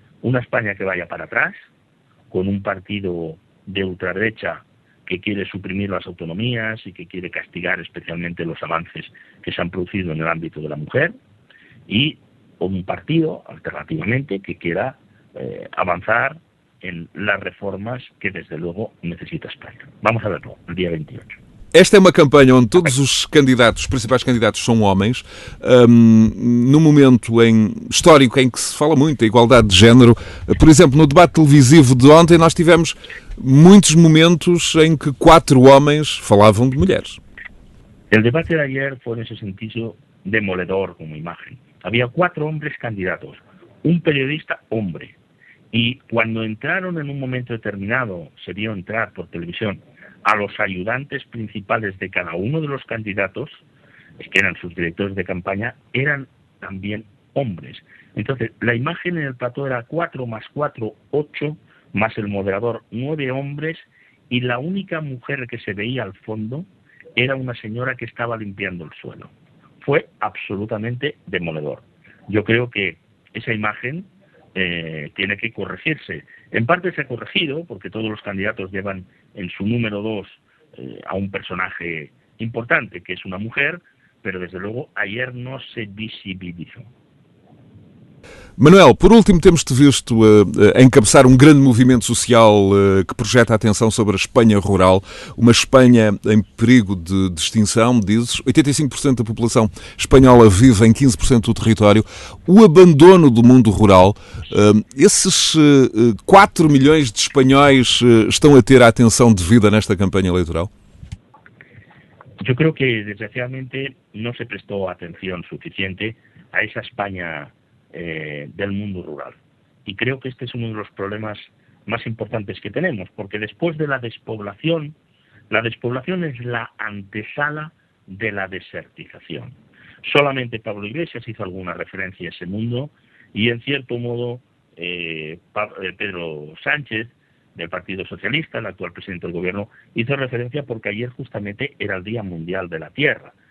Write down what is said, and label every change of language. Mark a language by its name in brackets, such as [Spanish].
[Spanish] Una España que vaya para atrás, con un partido de ultraderecha que quiere suprimir las autonomías y que quiere castigar especialmente los avances que se han producido en el ámbito de la mujer, y un partido, alternativamente, que quiera avanzar en las reformas que desde luego necesita España. Vamos a verlo el día 28. [Portuguese] Esta é uma campanha onde todos os candidatos, os principais candidatos, são homens. Num momento histórico em que se fala muito da igualdade de género, por exemplo, no debate televisivo de ontem, nós tivemos muitos momentos em que quatro homens falavam de mulheres. O debate de ayer foi, nesse sentido, demoledor como imagem. Havia quatro homens candidatos, um periodista homem. E quando entraram em um momento determinado, se viu entrar por televisão, [Spanish] a los ayudantes principales de cada uno de los candidatos, que eran sus directores de campaña, eran también hombres. Entonces, la imagen en el plató era 4 más 4, 8, más el moderador, 9 hombres, y la única mujer que se veía al fondo era una señora que estaba limpiando el suelo. Fue absolutamente demoledor. Yo creo que esa imagen tiene que corregirse. En parte se ha corregido, porque todos los candidatos llevan en su número 2 a un personaje importante, que es una mujer, pero desde luego ayer no se visibilizó. [Portuguese] Manuel, por último, temos-te visto a encabeçar um grande movimento social que projeta a atenção sobre a Espanha rural, uma Espanha em perigo de extinção, dizes. 85% da população espanhola vive em 15% do território. O abandono do mundo rural, esses 4 milhões de espanhóis estão a ter a atenção devida nesta campanha eleitoral? Eu [Spanish] creo que, desgraciadamente, [Portuguese] não se prestou atenção suficiente a essa Espanha [Spanish] del mundo rural. Y creo que este es uno de los problemas más importantes que tenemos, porque después de la despoblación es la antesala de la desertización. Solamente Pablo Iglesias hizo alguna referencia a ese mundo y, en cierto modo, Pedro Sánchez, del Partido Socialista, el actual presidente del gobierno, hizo referencia porque ayer justamente era el Día Mundial de la Tierra.